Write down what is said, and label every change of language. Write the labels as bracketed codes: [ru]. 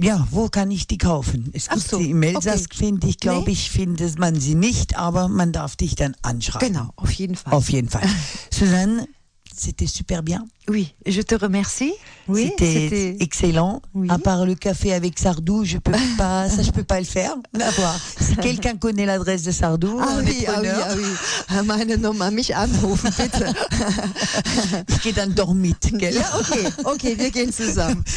[de] Wo kann ich die kaufen? Es gibt sie im Elsass, finde ich, glaube ich, findet man sie nicht, aber man darf dich dann anschreiben. Genau, auf jeden Fall. Auf jeden Fall. [fr] Susanne, c'était super bien. Oui, je te remercie. Oui, c'était excellent. Oui. À part le café avec Sardou, je peux pas, ça je peux pas le faire. Si quelqu'un connaît l'adresse de Sardou, ah oui. [de] Meine Nummer, mich anrufen bitte. Ich gehe dann doch mit, gell? Ja, okay, wir gehen zusammen.